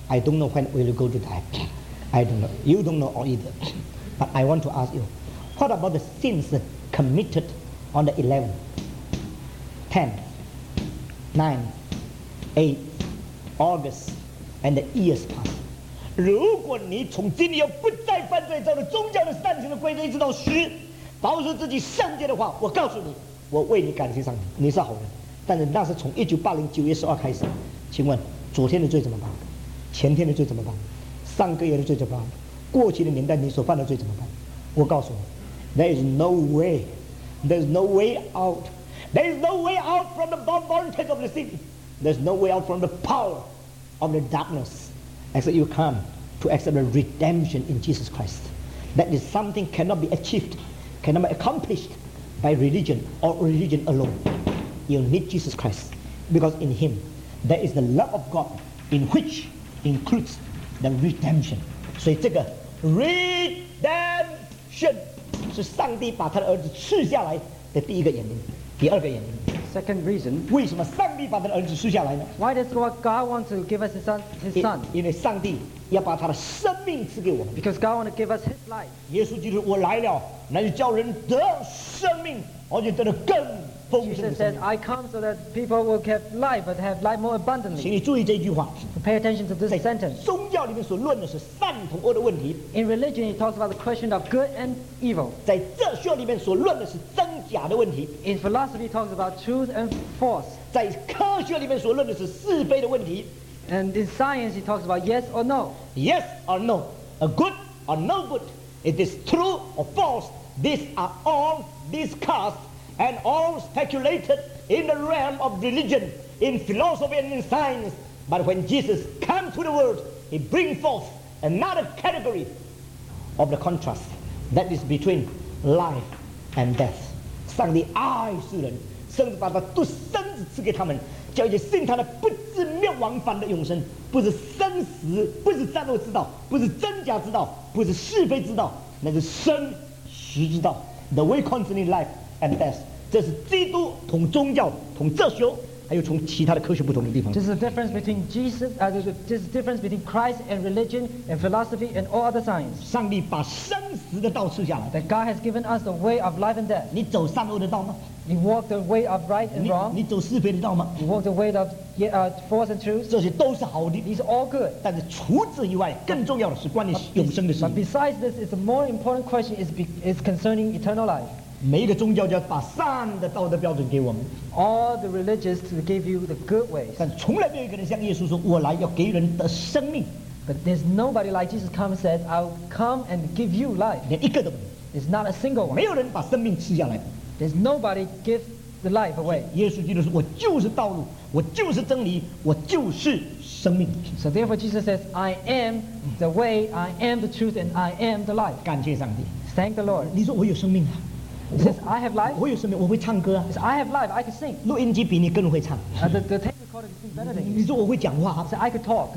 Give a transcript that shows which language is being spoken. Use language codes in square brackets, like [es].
[en] I don't know when will you go to die. I don't know. You don't know either. But I want to ask you, what about the sins committed on the 11th, 10th, 9th, 8th, August, and the years past? [zh] 如果你从今天不再犯罪，照着宗教的善行的规则一直到死，保守自己圣洁的话，我告诉你。我为你感谢上帝，你是好人，但是那是从1980九月十二开始。请问，昨天的罪怎么办？前天的罪怎么办？上个月的罪怎么办？过去的年代你所犯的罪怎么办？我告诉你 [en] ，There is no way, there is no way out, there is no way out from the bondage of the sin, there is no way out from the power of the darkness, except you come to accept the redemption in Jesus Christ. That is something cannot be achieved, cannot be accomplished. By religion or religion alone, you need Jesus Christ, because in Him there is the love of God, in which includes the redemption. So this redemption is [zh] 上帝把他的儿子赐下来的第一个原因，第二个原因。 [en] Second reason. [zh] 为什么上帝把他的儿子赐下来呢？ [en] Why does God want to give us his son? [zh] 因为上帝要把他的生命赐给我们。 [en] Because God want to give us his life. [zh] 耶稣基督，我来了，乃是叫人得生命，而且得的更丰盛的生命。 [en] Jesus said, "I come so that people will have life, but have life more abundantly." [zh] 请你注意这句话。 [en] Pay attention to this sentence. [zh] 在宗教里面所论的是善同恶的问题。 [en] In religion, he talks about the question of good and evil. [zh] 在哲学里面所论的是真假的问题。 [en] In philosophy, he talks about truth and false. [zh] 在科学里面所论的是是非的问题。 [en] And in science, he talks about yes or no. Yes or no, a good or no good. It is true or false. These are all discussed and all speculated in the realm of religion, in philosophy and in science. But when Jesus comes to the world, he brings forth another category of the contrast that is between life and death. [zh] 上帝爱世人，甚至把他独生子赐给他们，叫一切信他的不至灭亡，反得永生。不是生死，不是善恶之道，不是真假之道，不是是非之道，乃是生死之道。 [en] The way concerning life and death. [zh] 这是基督同宗教、同哲学，还有从其他的科学不同的地方。 [en] This is the difference between Jesus. This is the difference between Christ and religion and philosophy and all other science. [zh] 上帝把生死的道赐下来。 [en] That God has given us the way of life and death. [zh] 你走善恶的道吗？ [en] You walk the way of right and wrong. [zh] 你走是非的道吗？ [en] You walk the way of false and truth. [zh] 这些都是好的。 [en] These are all good. [zh] 但是除此以外，更重要的是关于永生的事。 [en] But besides this, it's a more important question. It's concerning eternal life. [zh] 每一个宗教就要把善的道德标准给我们。 [en] All the religions to give you the good ways. [zh] 但从来没有一个人像耶稣说：“我来要给人的生命。” [en] But there's nobody like Jesus come and says, "I'll come and give you life." [zh] 连一个都没有。 [en] It's not a single one. [zh] 没有人把生命赐下来。 [en] There's nobody give the life away. [zh] 耶稣基督说：“我就是道路，我就是真理，我就是生命。” [en] So therefore Jesus says, "I am the way, I am the truth, and I am the life." [zh] 感谢上帝。 [en] Thank the Lord. [zh] 你说我有生命啊。 [en] He says, "I have life." [zh] 我有生命，我会唱歌啊。 [en] He says, "I have life. I can sing." [zh] 录音机比你更会唱。 [en] The tape recorder can sing better than you. [zh] 你说我会讲话啊。 [en] He says, "I can talk."